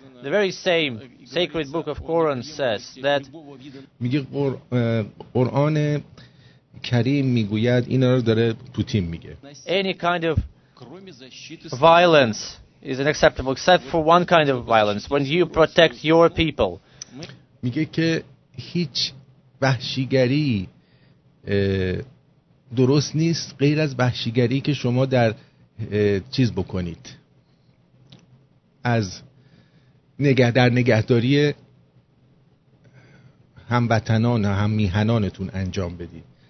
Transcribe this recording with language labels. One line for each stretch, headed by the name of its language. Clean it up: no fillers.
English: The very same sacred book of Quran says that
Persian: میگه قرآن کریم میگوید، اینا رو داره پوتین میگه،
English: any kind of violence is unacceptable except for one kind of violence when you protect your people.
Persian: میگه که هیچ وحشیگری درست نیست غیر از وحشیگری که شما در چیز بکنید، از در نگهداری هموطنان و هم میهنانتون انجام بدید.